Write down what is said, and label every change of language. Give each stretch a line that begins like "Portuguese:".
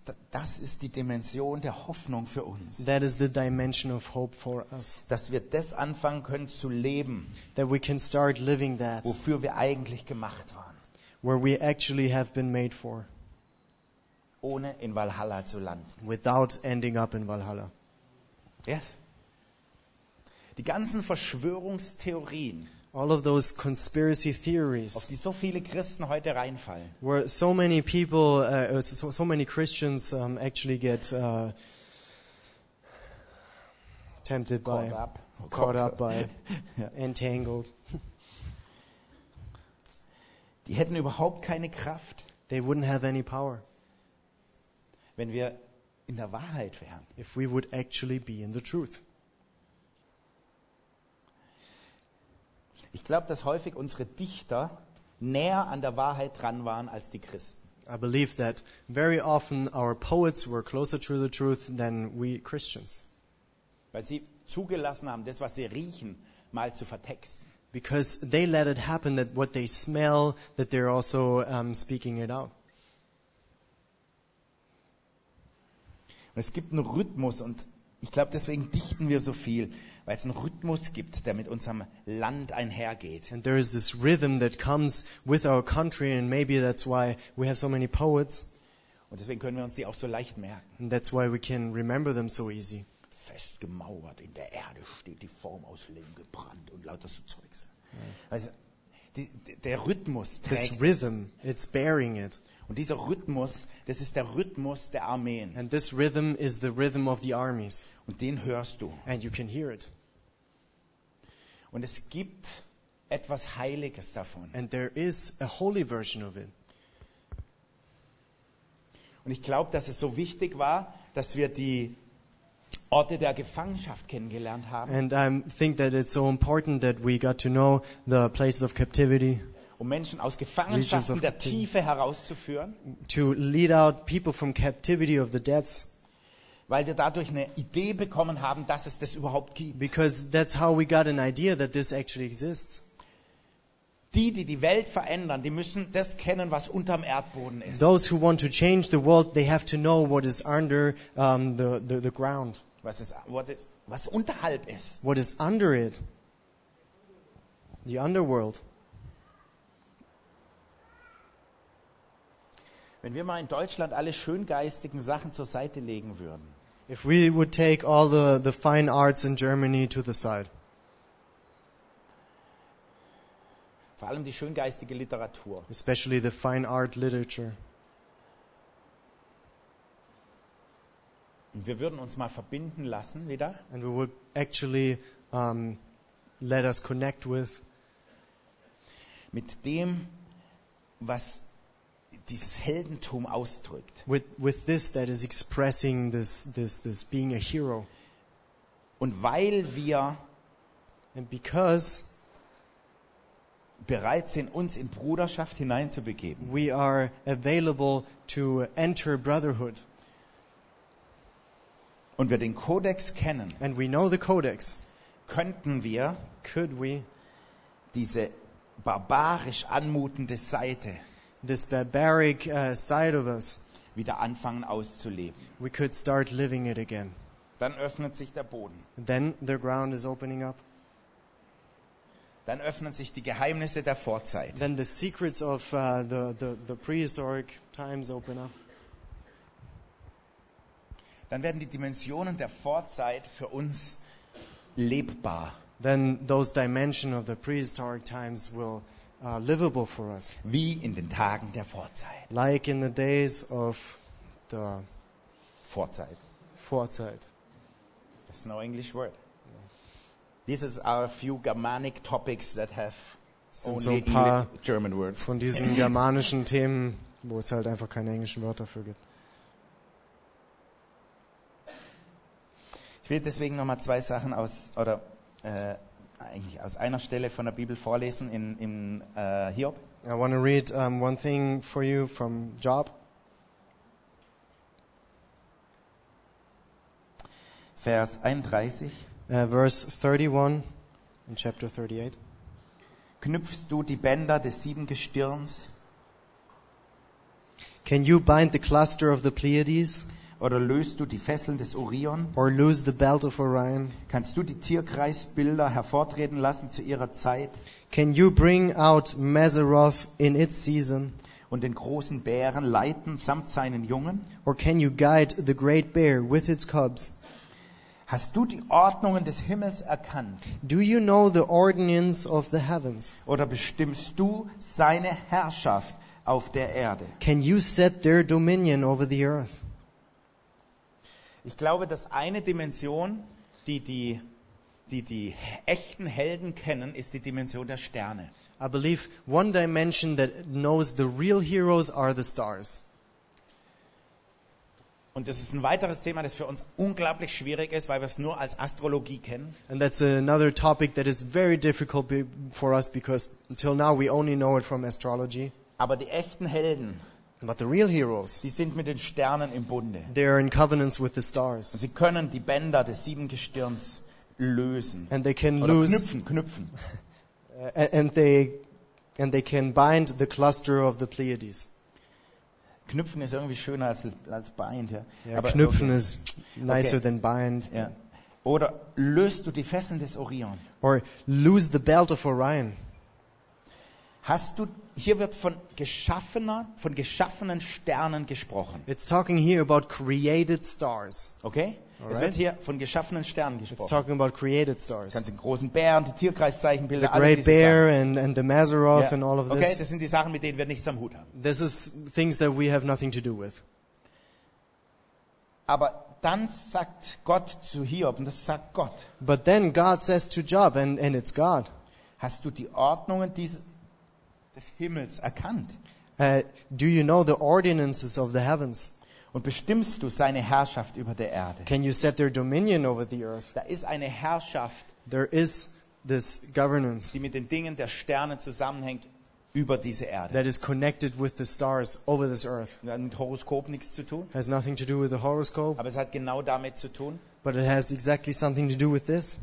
German: Das ist die Dimension der Hoffnung für uns.
English: That is the dimension of hope for us.
German: Dass wir das anfangen können zu leben.
English: That we can start living that.
German: Wofür wir eigentlich gemacht waren.
English: Where we actually have been made for.
German: Ohne in Valhalla zu landen.
English: Without ending up in Valhalla. Yes.
German: Die ganzen Verschwörungstheorien.
English: All of those conspiracy theories.
German: Auf die so viele Christen heute reinfallen.
English: Where so many people, so many Christians actually get tempted caught by. Up. Caught up by. Entangled.
German: Die hätten überhaupt keine Kraft.
English: They wouldn't have any power.
German: Wenn wir in der Wahrheit wären.
English: If we would actually be in the truth.
German: Ich glaube, dass häufig unsere Dichter näher an der Wahrheit dran waren als die Christen.
English: I believe that very often our poets were closer to the truth than we Christians.
German: Weil sie zugelassen haben, das, was sie riechen, mal zu vertexten.
English: Because they let it happen that what they smell, that they're also speaking it out.
German: Es gibt einen Rhythmus und Ich glaube, deswegen dichten wir so viel, weil es einen Rhythmus gibt, der mit unserem Land einhergeht.
English: And there is this rhythm that comes with our country, and maybe that's why we have so many poets.
German: Und deswegen können wir uns die auch so leicht merken.
English: And that's why we can remember them so easy.
German: Festgemauert in der Erde steht die Form aus Lehm gebrannt und lauter so Zeugs. Also der Rhythmus trägt
English: this rhythm, it's bearing it.
German: Und dieser Rhythmus, das ist der Rhythmus der Armeen.
English: And this rhythm is the rhythm of the armies.
German: Und den hörst du.
English: And you can hear it.
German: Und es gibt etwas Heiliges davon.
English: And there is a holy version of it.
German: Und ich glaube, dass es so wichtig war, dass wir die Orte der Gefangenschaft kennengelernt haben.
English: And I think that it's so important that we got to know the places of captivity.
German: Um Menschen aus Gefangenschaften der Tiefe herauszuführen.
English: To lead out people from captivity of the depths.
German: Weil wir dadurch eine Idee bekommen haben, dass es das überhaupt gibt.
English: Because that's how we got an idea that this actually exists.
German: Die, die die Welt verändern, die müssen das kennen, was unterm Erdboden ist.
English: Those who want to change the world, they have to know what is under the ground.
German: Was unterhalb ist.
English: What is under it. The underworld.
German: Wenn wir mal in Deutschland alle schöngeistigen Sachen zur Seite legen würden.
English: If we would take all the fine arts in Germany to the side.
German: Vor allem die schöngeistige Literatur.
English: Especially the fine art literature.
German: Und wir würden uns mal verbinden lassen wieder.
English: And we would actually let us connect with.
German: Mit dem, was dieses Heldentum ausdrückt.
English: With this that is expressing this being a hero.
German: Und weil wir
English: and because
German: bereit sind, uns in Bruderschaft hineinzubegeben.
English: We are available to enter brotherhood.
German: Und wir den Codex kennen.
English: And we know the Codex.
German: Könnten wir
English: could we
German: diese barbarisch anmutende Seite
English: this barbaric side of us
German: wieder anfangen auszuleben.
English: We could start living it again.
German: Dann öffnet sich der Boden.
English: Then the ground is opening up.
German: Dann öffnen sich die Geheimnisse der Vorzeit.
English: Then the secrets of the prehistoric times open up.
German: Dann werden die Dimensionen der Vorzeit für uns lebbar.
English: Then those dimensions of the prehistoric times will livable for us.
German: Wie in den Tagen der Vorzeit.
English: Like in the days of the
German: Vorzeit. Vorzeit.
English: That's no English word. These are a few Germanic topics that have
German: sind
English: only
German: so ein paar
English: German words.
German: Von diesen germanischen Themen, wo es halt einfach keine englischen Wörter dafür gibt. Ich will deswegen nochmal zwei Sachen aus oder eigentlich aus einer Stelle von der Bibel vorlesen in Hiob.
English: I want to read one thing for you from Job.
German: Vers 31.
English: Verse 31 in chapter 38.
German: Knüpfst du die Bänder des sieben Gestirns?
English: Can you bind the cluster of the Pleiades?
German: Oder löst du die Fesseln des Orion?
English: Or loose the belt of Orion?
German: Kannst du die Tierkreisbilder hervortreten lassen zu ihrer Zeit?
English: Can you bring out Maseroth in its season?
German: Und den großen Bären leiten samt seinen Jungen?
English: Or can you guide the great bear with its cubs?
German: Hast du die Ordnungen des Himmels erkannt?
English: Do you know the ordinance of the heavens?
German: Oder bestimmst du seine Herrschaft auf der Erde?
English: Can you set their dominion over the earth?
German: Ich glaube, dass eine Dimension, die echten Helden kennen, ist die Dimension der Sterne.
English: I believe one dimension that knows the real heroes are the stars.
German: Und das ist ein weiteres Thema, das für uns unglaublich schwierig ist, weil wir es nur als Astrologie kennen.
English: And that's another topic that is very difficult for us because until now we only know it from astrology.
German: Aber die echten Helden,
English: but the real heroes,
German: die sind mit den Sternen im Bunde.
English: They are in covenants with the stars.
German: Und sie können die Bänder des sieben Gestirns lösen.
English: And they can
German: knüpfen.
English: and they can bind the cluster of the Pleiades.
German: Knüpfen ist irgendwie schöner als bind. Ja? Ja, aber knüpfen ist okay.
English: Nicer than bind.
German: Ja. Oder löst du die Fesseln des Orion?
English: Or lose the belt of Orion.
German: Hast du, hier wird von geschaffenen Sternen gesprochen.
English: It's talking here about created stars.
German: Okay?
English: Alright.
German: Es wird hier von geschaffenen Sternen gesprochen.
English: It's talking about created stars.
German: Ganz den großen Bären, die Tierkreiszeichenbilder,
English: the Great Bear and the Maseroth, yeah. And all of this.
German: Okay, das sind die Sachen, mit denen wir nichts am Hut haben.
English: This is things that we have nothing to do with.
German: Aber dann sagt Gott zu Hiob, und das sagt Gott.
English: But then God says to Job, and it's God.
German: Hast du die Ordnungen des Himmels erkannt?
English: Do you know the ordinances of the heavens?
German: Und bestimmst du seine Herrschaft über der Erde?
English: Can you set their dominion over the earth?
German: Da ist eine Herrschaft.
English: There is this governance.
German: Die mit den Dingen der Sterne zusammenhängt über diese Erde.
English: That is connected with the stars over this earth.
German: Hat mit Horoskop nichts zu tun.
English: Has nothing to do with the horoscope.
German: Aber es hat genau damit zu tun.
English: But it has exactly something to do with this.